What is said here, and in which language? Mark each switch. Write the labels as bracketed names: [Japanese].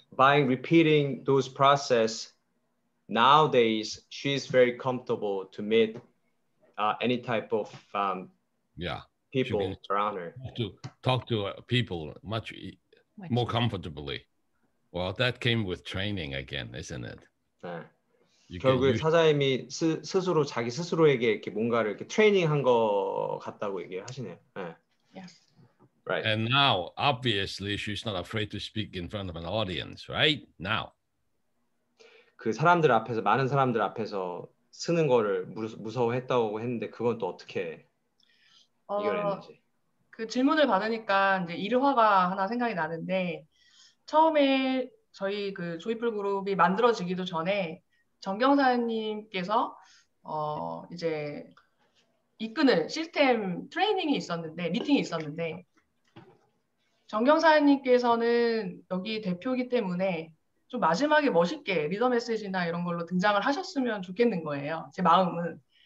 [English] by repeating those process, nowadays she's very comfortable to meet any type of people around her. To talk to people much more comfortably. Well, that came with training again, isn't it? [Korean] 네. 결국 사장님이 스스로 자기 스스로에게 이렇게 뭔가를 이렇게 트레이닝한 거 같다고 얘기하시네요. 네. [English] Yeah. Right. And now, obviously, she's not afraid to speak in front of an audience, right? Now. [Korean] 그 사람들 앞에서 많은 사람들 앞에서 쓰는 거를 무서워했다고 했는데 그건 또 어떻게 이겨냈는지. 그 질문을 받으니까 이제 일화가 하나 생각이 나는데. 처음에 저희 그 조이풀 그룹이 만들어지기도 전에 정경사님께서 이제 이끄는 시스템 트레이닝이 있었는데 미팅이 있었는데 정경사님께서는 여기 대표이기 때문에 좀 마지막에 멋있게 리더 메시지나 이런 걸로 등장을 하셨으면 좋겠는 거예요. 제 마음은.